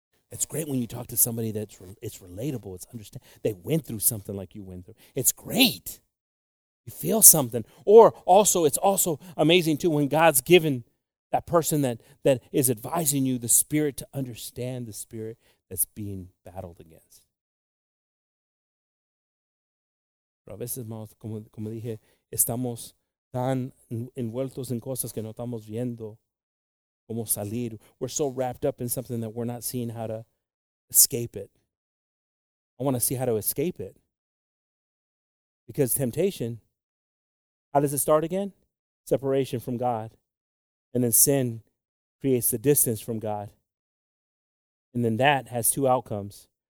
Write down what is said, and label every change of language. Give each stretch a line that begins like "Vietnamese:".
English: It's great when you talk to somebody that's it's relatable. It's understand. They went through something like you went through. It's great. You feel something. Or also, it's also amazing too when God's given that person that is advising you the spirit to understand the spirit that's being battled against.
Spanish: Pero a veces, como dije, estamos tan envueltos en cosas que no estamos viendo cómo salir.
English: We're so wrapped up in something that we're not seeing how to escape it. I want to see how to escape it. Because temptation, how does it start again? Separation from God. And then sin creates the distance from God. And then that has two outcomes.